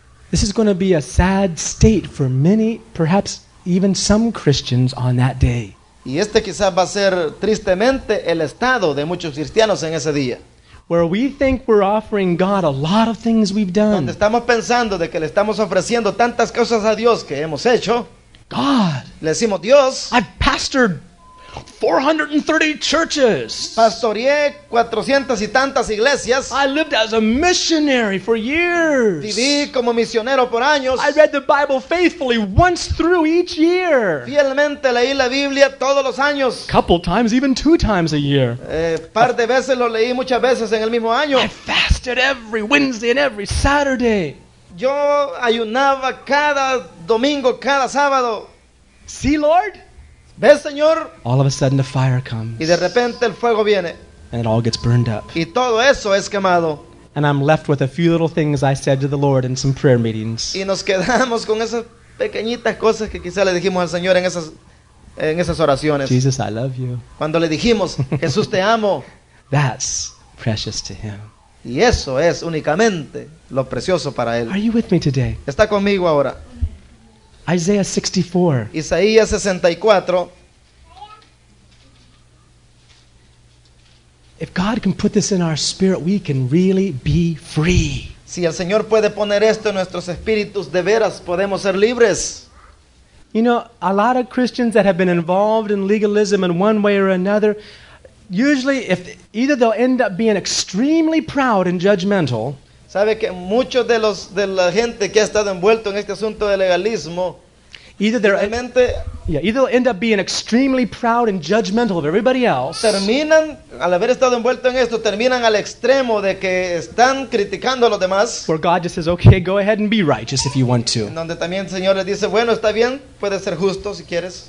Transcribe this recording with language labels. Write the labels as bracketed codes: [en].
[en] This is going to be a sad state for many, perhaps even some Christians on that day. [es] Y este quizás va a ser tristemente el estado de muchos cristianos en ese día. [en] Where we think we're offering God a lot of things we've done. [es] Donde estamos pensando de que le estamos ofreciendo tantas cosas a Dios que hemos hecho. [en] God. [es] Le decimos Dios. [en] I've pastored 430 churches. [es] Pastoreé 400 y tantas iglesias. [en] I lived as a missionary for years. [es] Viví como misionero por años. [en] I read the Bible faithfully once through each year. [es] Fielmente leí la Biblia todos los años. [en] Couple times, even two times a year. [es] Par de veces lo leí muchas veces en el mismo año. [en] I fasted every Wednesday and every Saturday. [es] Yo ayunaba cada domingo, cada sábado. [en] See, Lord? [es] ¿Ves, Señor? [en] All of a sudden the fire comes. [es] Y de repente el fuego viene. [en] And it all gets burned up. [es] Y todo eso es quemado. [en] And I'm left with a few little things I said to the Lord in some prayer meetings. [es] Y nos quedamos con esas pequeñitas cosas que quizá le dijimos al Señor en esas oraciones. [en] Jesus, I love you. [es] Cuando le dijimos, Jesús, te amo. [en] That's precious to him. [es] Y eso es únicamente lo precioso para él. [en] Are you with me today? [es] ¿Está conmigo ahora? [en] Isaiah 64. [es] Isaías 64. [en] If God can put this in our spirit, we can really be free. [es] Si el Señor puede poner esto en nuestros espíritus, de veras podemos ser libres. [en] You know, a lot of Christians that have been involved in legalism in one way or another, usually if either they'll end up being extremely proud and judgmental. [es] Sabe que muchos de la gente que ha estado envuelto en este asunto del legalismo, [en] either end up being extremely proud and judgmental of everybody else. [es] Terminan al haber estado envuelto en esto, terminan al extremo de que están criticando a los demás. [en] Where God just says, "Okay, go ahead and be righteous if you want to." [es] En donde también el Señor les dice, bueno, está bien, puedes ser justo si quieres.